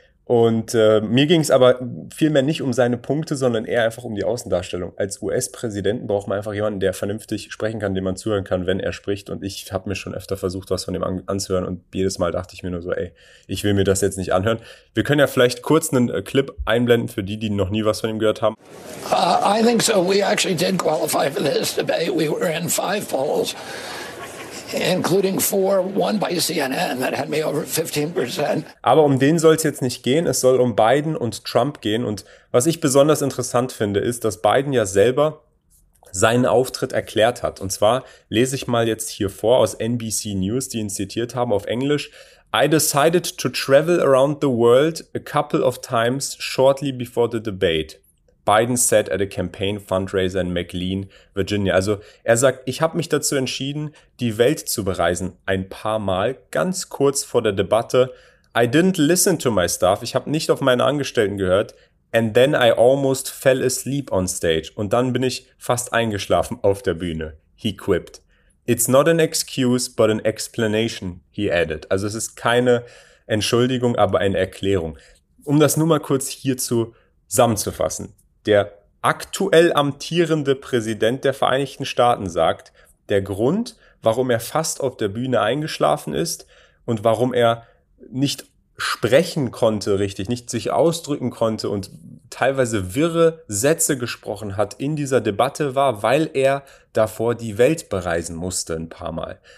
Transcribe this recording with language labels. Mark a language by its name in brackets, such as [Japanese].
[German] Und mir ging es aber vielmehr nicht um seine Punkte, sondern eher einfach um die Außendarstellung. Als US-Präsidenten braucht man einfach jemanden, der vernünftig sprechen kann, dem man zuhören kann, wenn er spricht. Und ich habe mir schon öfter versucht, was von dem anzuhören. Und jedes Mal dachte ich mir nur so, ey, ich will mir das jetzt nicht anhören. Wir können ja vielleicht kurz einen Clip einblenden für die, die noch nie was von ihm gehört haben. [English] I think so. We actually did qualify for this debate. We were in 5 polls, including 4 won by CNN, that had me over 15%. [German] Aber um den soll es jetzt nicht gehen, es soll um Biden und Trump gehen. Und was ich besonders interessant finde, ist, dass Biden ja selber seinen Auftritt erklärt hat. Und zwar lese ich mal jetzt hier vor aus NBC News, die ihn zitiert haben auf Englisch. [English] I decided to travel around the world a couple of times shortly before the debate, Biden said at a campaign fundraiser in McLean, Virginia. [German] Also er sagt, ich habe mich dazu entschieden, die Welt zu bereisen, ein paar Mal, ganz kurz vor der Debatte. [English] I didn't listen to my staff, [German] ich habe nicht auf meine Angestellten gehört. [English] And then I almost fell asleep on stage. [German] Und dann bin ich fast eingeschlafen auf der Bühne, [English] he quipped. It's not an excuse, but an explanation, he added. [German] Also es ist keine Entschuldigung, aber eine Erklärung. Um das nur mal kurz hier zu zusammenzufassen, der aktuell amtierende Präsident der Vereinigten Staaten sagt, der Grund, warum er fast auf der Bühne eingeschlafen ist und warum er nicht sprechen konnte richtig, nicht sich ausdrücken konnte und teilweise wirre Sätze gesprochen hat in dieser Debatte, war, weil er davor die Welt bereisen musste ein paar Mal.